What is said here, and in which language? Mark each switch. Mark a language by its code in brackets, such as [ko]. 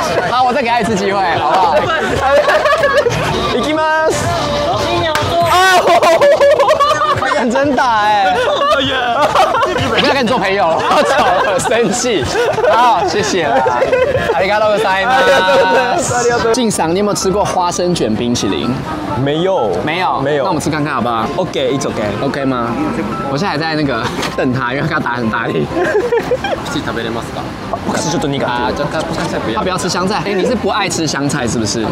[zh] 好，我再给他一次机会，好不好？ [ja] 行きます。 [zh] 金牛座。啊！哈哈哈！认真打哎！我不要跟你做朋友了，我操了，生气。好，谢谢了。 [ja] ありがとうございます。 [zh] 晋赏，你有没有吃过花生卷冰淇淋？没有。那我们吃看看好不好 [en] ？OK， it's OK。 [zh] OK 吗？我现在还在那个等他，因为他刚打很大力。 [ja] 普通食べれますか？普通ちょっと苦手。 [zh] 他不吃香菜。他不要吃香菜。你是不爱吃香菜是不是？